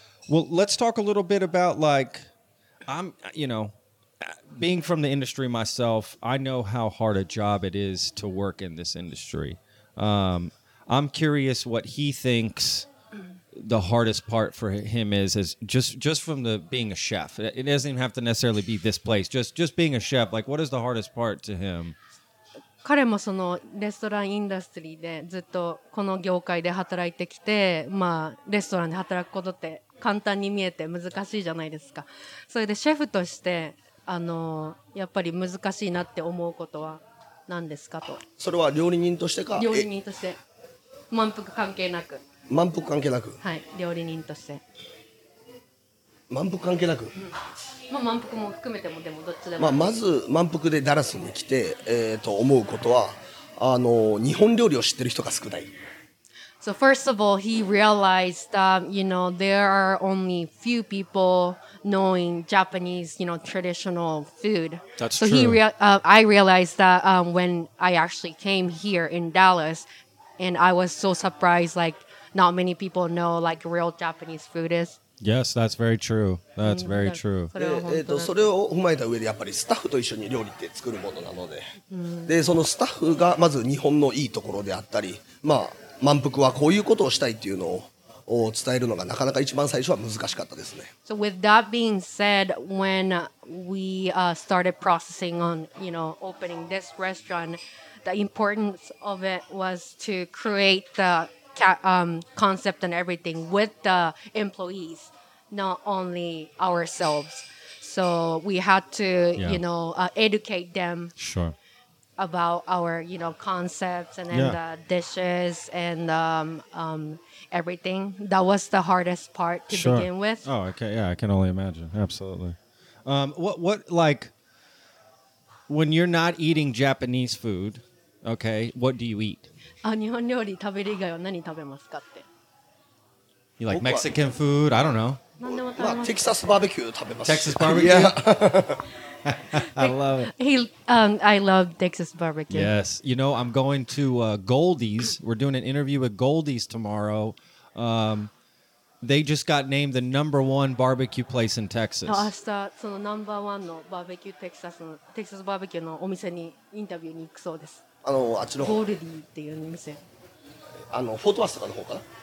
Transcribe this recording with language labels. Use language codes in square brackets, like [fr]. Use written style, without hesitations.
[en] Well, let's talk a little bit about, like, I'm, you know,Being from the industry myself, I know how hard a job it is to work in this industry. I'm curious what he thinks the hardest part for him is just from the being a chef. It doesn't even have to necessarily be this place. Just being a chef, like what is the hardest part to him? [ja] 彼もそのレストランインダストリーでずっとこの業界で働いてきて、まあレストランで働くことって簡単に見えて難しいじゃないですか。それでシェフとしてやっぱり難しいなって思うことは何ですかと。それは料理人としてか。料理人として。満腹関係なく。満腹関係なく。はい、料理人として。満腹関係なく。うん、まあ満腹も含めてもでもどっちでも。まあまず満腹でダラスに来て、思うことは日本料理を知ってる人が少ない。 [en] So first of all, he realized that you know there are only few people. Knowing Japanese, you know, traditional food. That's so true. I realized that when I actually came here in Dallas, and I was so surprised, like, not many people know, like, real Japanese food is. Yes, that's very true. That's very true. [ja] それを踏まえた上で、やっぱりスタッフと一緒に料理って作るものなので、で、そのスタッフがまず日本のいいところであったり、まあ、満腹はこういうことをしたいっていうのを、 [en] So with that being said, when we started processing on, you know, opening this restaurant, the importance of it was to create the concept and everything with the employees, not only ourselves. So we had to, you know, educate them. Sure. About our, you know, concepts and then the dishes and everything. That was the hardest part to begin with. Oh, okay. Yeah, I can only imagine. Absolutely. What like, when you're not eating Japanese food, okay, what do you eat? [ja] 日本料理食べる以外は何食べますかって。 [en] You like Mexican food? I don't know. [ja] Texas barbecue 食べます。 [en] Texas barbecue? Yeah. I love it. I love Texas barbecue. Yes. You know, I'm going to Goldie's. We're doing an interview with Goldie's tomorrow. They just got named the number one barbecue place in Texas. [ja] 明日、そのナンバーワンのバーベキューテキサスバーベキューのお店にインタビューに行くそうです。あっちの方。ゴールディっていうお店。フォートワースとかの方かな?